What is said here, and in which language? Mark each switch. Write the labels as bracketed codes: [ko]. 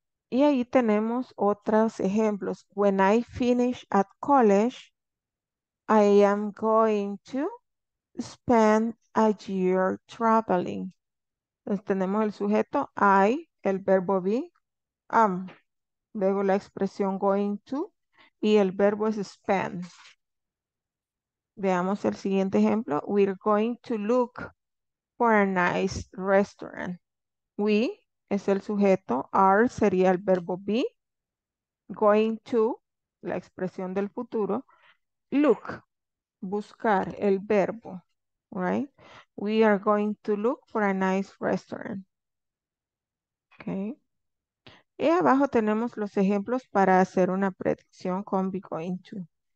[es] Y ahí tenemos otros ejemplos. [en] When I finish at college, I am going to spend a year traveling. [es] Entonces tenemos el sujeto I, el verbo be, am, luego la expresión going to, y el verbo es spend. Veamos el siguiente ejemplo. [en] We're going to look for a nice restaurant. [es] We es el sujeto, are sería el verbo be, going to, la expresión del futuro, look, buscar, el verbo, right? [en] We are going to look for a nice restaurant. Okay. [es] Y abajo tenemos los ejemplos para hacer una predicción con be going to.